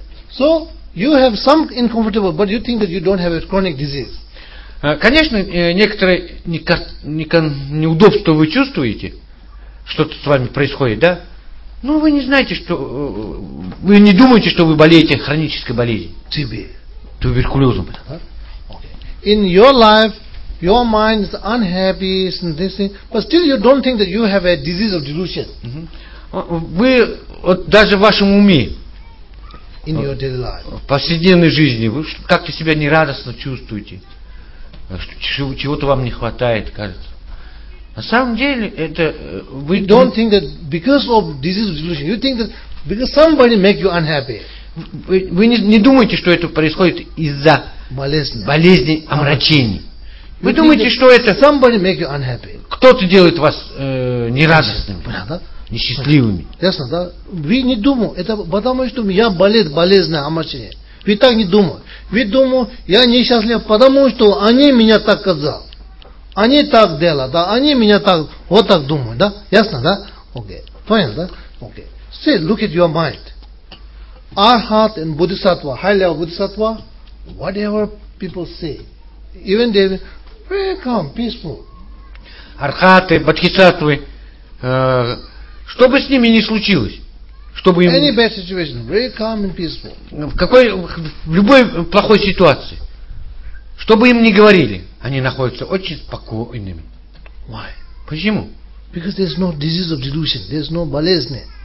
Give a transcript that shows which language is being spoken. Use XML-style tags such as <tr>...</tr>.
<en>So you have some uncomfortable, but you think that you don't have a chronic disease.</en> <ru>Конечно, некоторые неудобства вы чувствуете. Что-то с вами происходит, да? Ну, вы не знаете, что... Вы не думаете, что вы болеете хронической болезнью.</ru> <en>TB.</en> <ru>Туберкулезом.</ru> <en>In your life, your mind is unhappy, but still you don't think that you have a disease of delusion.</en> <ru>Вы, вот даже в вашем уме,</ru> <en>in your daily life,</en> <ru>в повседневной жизни, вы как-то себя нерадостно чувствуете, что чего-то вам не хватает, кажется. На самом деле, это вы</ru> <en>don't think that because of disease of delusion, you think that because somebody make you unhappy.</en> <ru>Вы не думаете, что это происходит из-за болезни омрачений. Вы думаете, что это</ru> <en>somebody make you unhappy.</en> <ru>Кто-то делает вас нерадостными, несчастливыми. Ясно, да? Вы не думаете, это потому что я болею болезнью омрачения. Вы так не думаете. Вы думаете, я несчастлив, потому что они меня так сказали. Они так делают, да? Они меня так, вот так думают, да? Ясно, да? Окей. Понятно, да? Окей.</ru> <en>See, look at your mind. Arhat and Bodhisattva, high level Bodhisattva, whatever people say, even they are very calm, peaceful.</en> <ru>Архаты, Бодхисаттвы, что бы с ними ни случилось, чтобы им...</ru> <en>Any bad situation, very calm and peaceful.</en> <ru>В любой плохой ситуации. Что бы им ни говорили, они находятся очень спокойными.</ru> <en>Why?</en> <ru>Почему?</ru> <en>Because there's no disease of delusion, there's no</en> <ru>болезни.</ru>